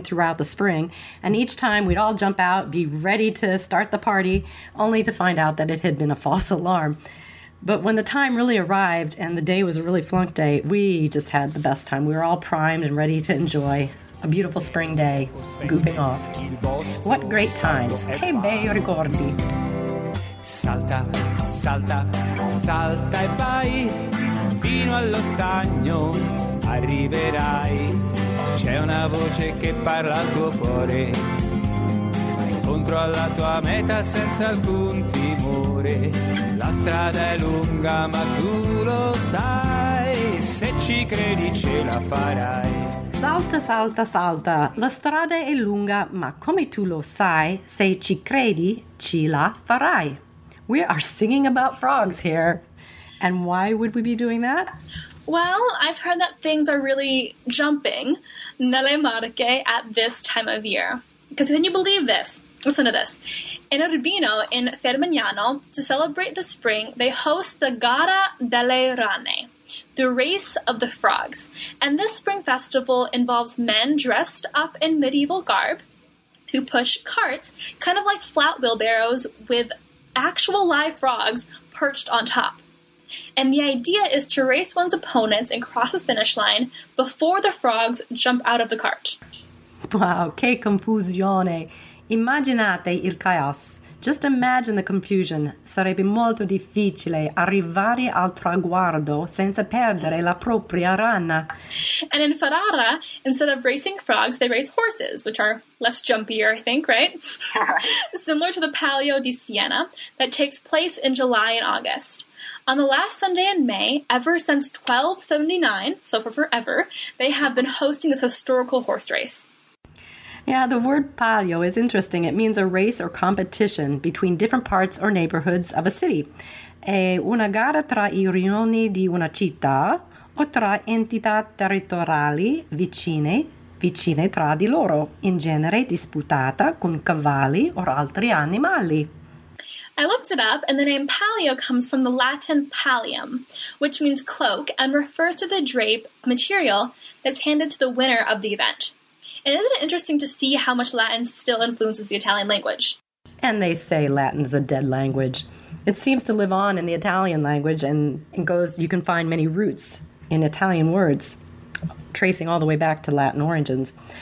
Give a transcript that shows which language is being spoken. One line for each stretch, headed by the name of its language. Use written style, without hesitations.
English: throughout the spring, and each time we'd all jump out, be ready to start the party, only to find out that it had been a false alarm. But when the time really arrived and the day was a really flunk day, we just had the best time. We were all primed and ready to enjoy a beautiful spring day, goofing off. What great times.
Italian: Che bei ricordi. Salta, salta, salta e vai, fino allo stagno arriverai. C'è una voce che parla al tuo cuore, incontro alla tua meta senza alcun timore. La strada è lunga ma tu lo sai, se ci credi ce la farai. Salta, salta, salta, la strada è lunga ma come tu lo sai, se ci credi ce la farai.
English: We are singing about frogs here. And why would we be doing that? Well, I've heard that things are really jumping nelle Marche at this time of year. Because can you believe this? Listen to this. In Urbino, in Fermignano, to celebrate the spring, they host the Gara delle Rane, the Race of the Frogs. And this spring festival involves men dressed up in medieval garb who push carts, kind of like flat wheelbarrows, with actual live frogs perched on top. And the idea is to race one's opponents and cross the finish line before the frogs jump out of the cart.
Italian: Wow, che confusione. Immaginate il caos.
English: Just imagine the confusion.
Italian: Sarebbe molto difficile arrivare al traguardo senza perdere la propria rana.
English: And in Ferrara, instead of racing frogs, they race horses, which are less jumpier, I think, right? Similar to the Palio di Siena that takes place in July and August. On the last Sunday in May, ever since 1279, so for forever, they have been hosting this historical horse race. Yeah, the word palio is interesting. It means a race or competition between different parts or neighborhoods of a city.
Italian: È una gara tra i rioni di una città o tra entità territoriali vicine tra di loro, in genere disputata con cavalli o altri animali.
English: I looked it up, and the name palio comes from the Latin pallium, which means cloak and refers to the drape material that's handed to the winner of the event. And isn't it interesting to see how much Latin still influences the Italian language? And they say Latin is a dead language. It seems to live on in the Italian language, and goes, you can find many roots in Italian words, tracing all the way back to Latin origins.